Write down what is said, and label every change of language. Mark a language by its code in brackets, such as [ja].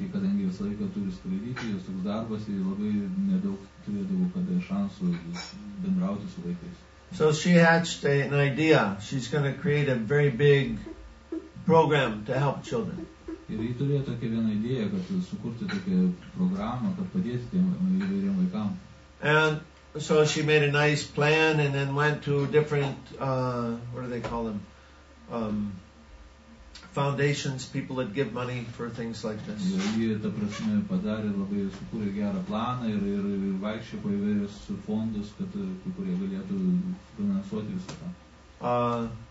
[lt] Bet kadangi visą laiką turi skraidyti, jos toks darbas, ir labai nedaug turėdavo kada šansų bendrauti su vaikais. [en] So she hatched an idea. She's going to create a very big program to help children. [lt] Ir ji turėjo tokią vieną idėją, kad sukurti tokią programą, kad padėti tiem įvairiem vaikam. [en] And so she made a nice plan and then went to different, what do they call them, foundations, people that give money for things like this. [lt] Ji ta prasme padarė labai, sukūrė gerą planą ir vaikščia po įvairius fondus, kad kurie galėtų finansuoti visą tą.